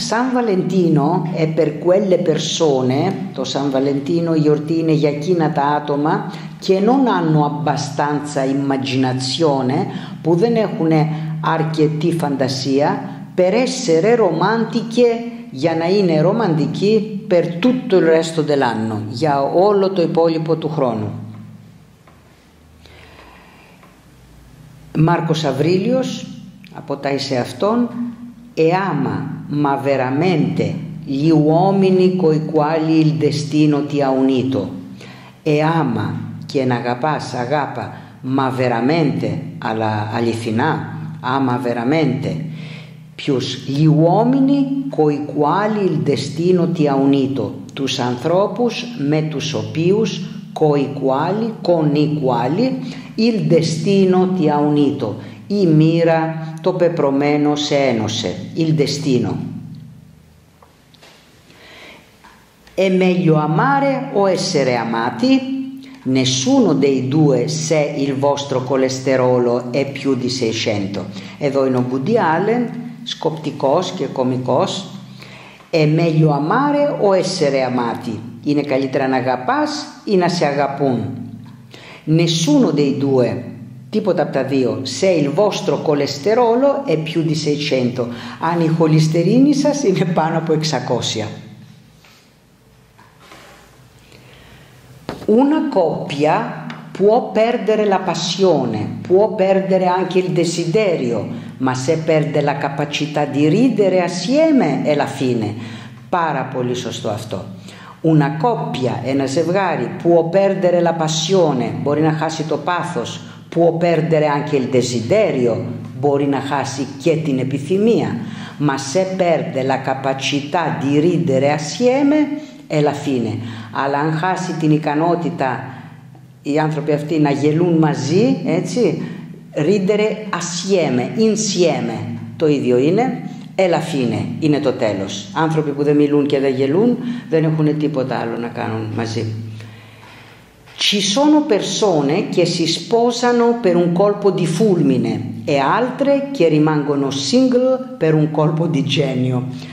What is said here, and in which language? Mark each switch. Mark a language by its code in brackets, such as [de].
[it] San Valentino è per quelle persone, [el] το San Valentino, η γιορτή είναι για εκείνα τα άτομα [it] che non hanno abbastanza immaginazione, [el] που δεν έχουν αρκετή φαντασία, [it] per essere romantiche, [el] για να είναι ρομαντική [it] per tutto il resto dell'anno, [el] για όλο το υπόλοιπο του χρόνου. [it] Μάρκος Αβρίλιος, [el] από τα εις εαυτόν, [it] «Εάμα, μα veramente, gli uomini coi quali il destino ti ha unito». [el] «Εάμα, και να αγαπάς, αγάπα, μα [it] veramente, [el] αλλά αληθινά, άμα veramente». Ποιους, [it] «Gli uomini coi quali il destino ti ha unito», [el] τους ανθρώπους με τους οποίους, [it] coi quali, con i quali, il destino ti ha unito, [el] η μοίρα το πεπρωμένο σε ένωσε, [it] il destino. «È meglio amare o essere amati?» Nessuno dei due, se il vostro colesterolo è più di 600. [el] Εδώ είναι ο Woody Allen, σκοπτικός και κωμικός. [it] «È meglio amare o essere amati?» [el] Είναι καλύτερα να αγαπάς ή να σε αγαπούν. [it] «Nessuno dei due», [el] τίποτα από τα δύο, [it] «se il vostro colesterolo è più di 600». [el] Αν η χοληστερίνη σας είναι πάνω από 600. [it] Una coppia può perdere la passione, può perdere anche il desiderio, ma se perde la capacità di ridere assieme è la fine. [el] Πάρα πολύ σωστό αυτό. [it] Una coppia, [el] ένα ζευγάρι, [it] può perdere la passione, [el] μπορεί να χάσει το πάθος, [it] può perdere anche il desiderio, [el] μπορεί να χάσει και την επιθυμία, [it] ma se perde la capacità di ridere assieme è la fine. [el] Αλλά αν χάσει την ικανότητα οι άνθρωποι αυτοί να γελούν μαζί, έτσι, [it] ridere assieme, insieme, [el] το ίδιο είναι, [it] è la fine, [el] είναι το τέλος. Άνθρωποι που δεν μιλούν και δεν γελούν, δεν έχουν τίποτα άλλο να κάνουν μαζί. [it] Ci sono persone che si sposano per un colpo di fulmine e altre che rimangono single per un colpo di genio.